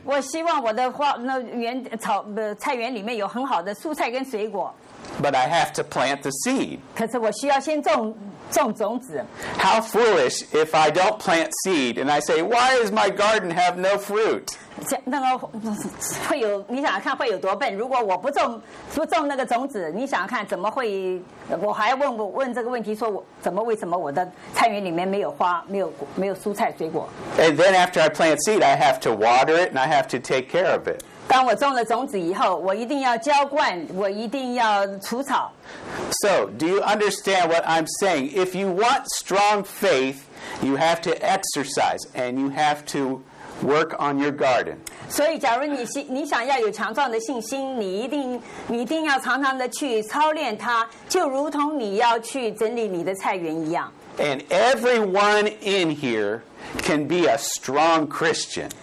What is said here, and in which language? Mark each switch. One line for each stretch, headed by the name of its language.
Chinese: 我希望我的花那园草菜园里面有很好的蔬菜跟水果。
English: But I have to plant the seed.
Chinese: 可是我需要先种种子。
English: How foolish if I don't plant seed and I say, why does my garden have no fruit?
Chinese: 那个会有你想看会有多笨？如果我不种那个种子，你想看怎么会？我还问这个问题，说我怎么为什么我的菜园里面没有花，没有蔬菜水果
English: ？And then after I plant seed, I have to water it and I have to take care of it.
Chinese: 当我种了种子以后，我一定要浇灌，我一定要除草。
English: So, do you understand what I'm saying? If you want strong faith, you have to exercise and you have to work on your garden.
Chinese: 所以，假如你想要有强壮的信心，你一定要常常的去操练它，就如同你要去整理你的菜园一样。
English: And everyone in here can be a strong Christian.